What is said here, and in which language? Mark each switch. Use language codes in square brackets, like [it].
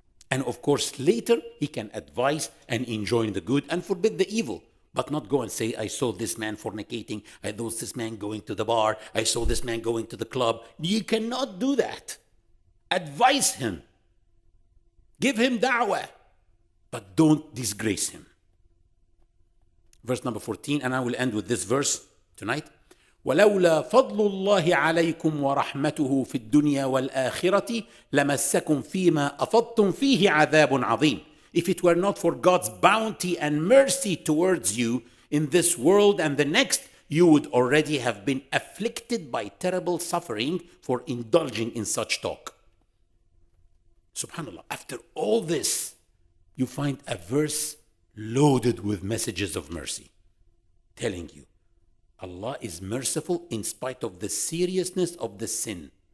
[en] And of course, later he can advise and enjoin the good and forbid the evil, but not go and say, I saw this man fornicating, I saw this man going to the bar, I saw this man going to the club. You cannot do that. Advise him. Give him da'wah, but don't disgrace him. Verse number 14, and I will end with this verse tonight. [ar] ولولا فضل الله عليكم ورحمته في الدنيا والآخرة لمسكم فيما أفضتم فيه عذاب عظيم. [en] If it were not for God's bounty and mercy towards you in this world and the next, you would already have been afflicted by terrible suffering for indulging in such talk. Subhanallah, after all this, you find a verse loaded with messages of mercy, telling you, Allah is merciful in spite of the seriousness of the sin.